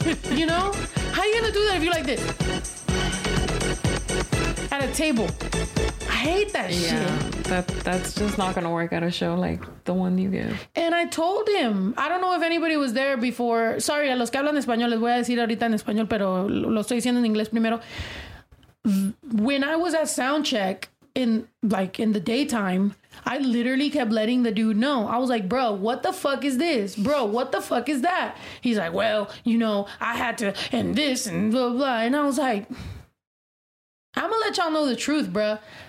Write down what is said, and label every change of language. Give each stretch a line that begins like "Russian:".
English: You know? How are you gonna do that if you're like this? At a table. I hate that shit. Yeah, that's just not gonna work at a show like the one you give. And I told him. I don't know if anybody was there before.
Spanish: Sorry, a los que hablan español, les voy a decir ahorita en español, pero lo estoy diciendo en inglés primero.
English: when I was at soundcheck in like in the daytime, I literally kept letting the dude know. I was like, bro, what the fuck is this? Bro, what the fuck is that? He's like, well, you know, I had to and this and blah, blah. And I was like, I'm gonna let y'all know the truth, bro.